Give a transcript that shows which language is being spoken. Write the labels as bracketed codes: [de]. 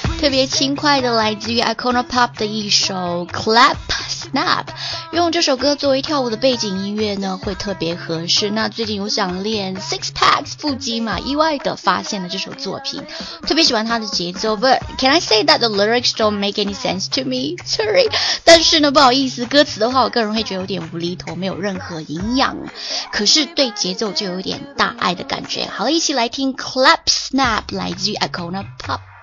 [zh] 别轻快的来自于 Icona Pop 的一首 Clap Snap， 用这首歌作为跳舞的背景音乐呢会特别合适。那最近我想练 Six Packs 腹肌嘛，意外的发现了这首作品，特别喜欢它的节奏。 [en] But can I say that the lyrics don't make any sense to me? [zh] Sorry， 但是呢不好意思，歌词的话我个人会觉得有点无厘头，没有任何营养，可是对节奏就有点大爱的感觉。好了，一起来听 Clap Snap 来自于 Icona Pop。